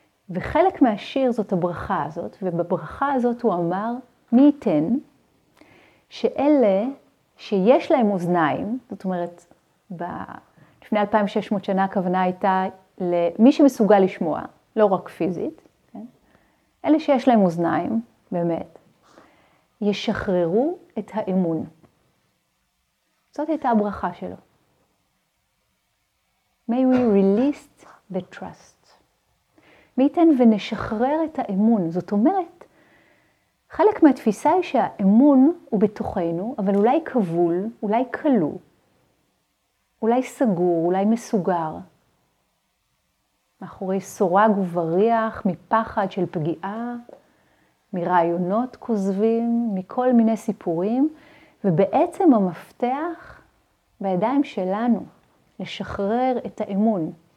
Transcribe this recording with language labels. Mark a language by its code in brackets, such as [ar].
[he] וחלק מהשיר זאת הברכה הזאת, ובברכה הזאת הוא אמר, מי ייתן שאלה שיש להם אוזניים, זאת אומרת, לפני 2600 שנה הכוונה הייתה למי שמסוגל לשמוע, לא רק פיזית, כן? אלה שיש להם אוזניים, באמת, ישחררו את האמון. זאת הייתה הברכה שלו. [en] May we release the trust. [he] מי ייתן ונשחרר את האמון. זאת אומרת, חלק מהתפיסה היא שהאמון הוא בתוכנו, אבל אולי כבול, אולי כלו, אולי סגור, אולי מסוגר. מאחורי סורג ובריח, מפחד של פגיעה, מרעיונות כוזבים, מכל מיני סיפורים, ובעצם המפתח בידיים שלנו, לשחרר את האמון.